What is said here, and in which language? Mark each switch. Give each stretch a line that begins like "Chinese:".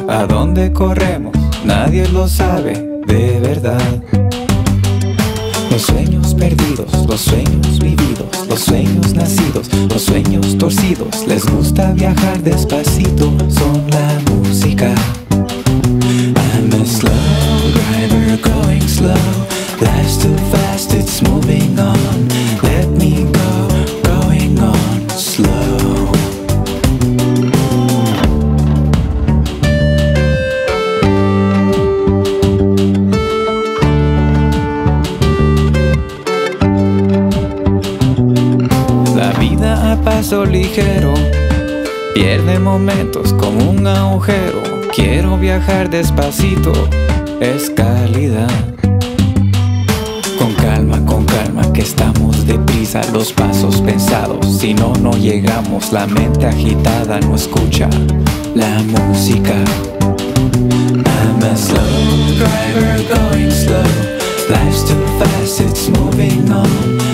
Spanish: ¿A dónde corremos? Nadie lo sabe de verdad. Los sueños perdidos, los sueños vividos, los sueños nacidos, los sueños torcidos. Les gusta viajar despacito, son la música.
English: I'm a slow driver going slow. Life's too fast, it's moving on. Let me go, going on slow.
Spanish: Paso ligero, pierde momentos como un agujero. Quiero viajar despacito, es calidad. Con calma, que estamos deprisa. Los pasos pensados, si no, no llegamos. La mente agitada no escucha la música.
English: I'm a slow driver going slow. Life's too fast, it's moving on.